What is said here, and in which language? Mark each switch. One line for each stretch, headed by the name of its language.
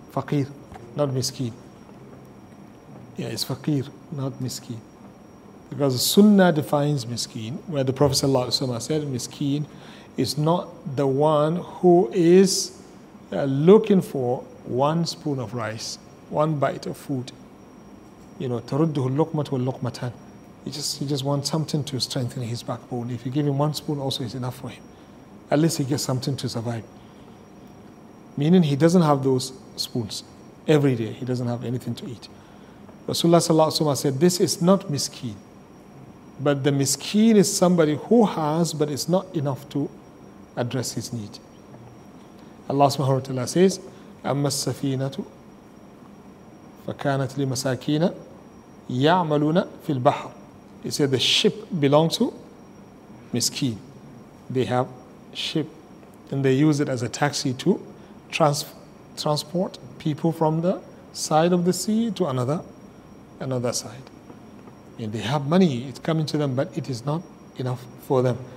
English: Faqir, not miskin. Yeah, it's faqir, not miskin. Because Sunnah defines miskin, where the Prophet said, miskin is not the one who is looking for one spoon of rice, one bite of food. You know,
Arabic: تَرُدُّهُ اللُّقْمَةُ وَاللُّقْمَةً.
English: He just wants something to strengthen his backbone. If you give him one spoon, also it's enough for him. At least he gets something to survive. Meaning he doesn't have those spoons every day. He doesn't have anything to eat. Rasulullah said, this is not miskin. But the miskin is somebody who has, but it's not enough to address his need. Allah subhanahu wa ta'ala says,
Arabic: أَمَّا السَّفِينَةُ فَكَانَتْ لِمَسَاكِينَ يَعْمَلُونَ فِي الْبَحْرِ.
English: He said the ship belongs to miskin. They have ship and they use it as a taxi to transport people from the side of the sea to another side. And they have money, it's coming to them, but it is not enough for them.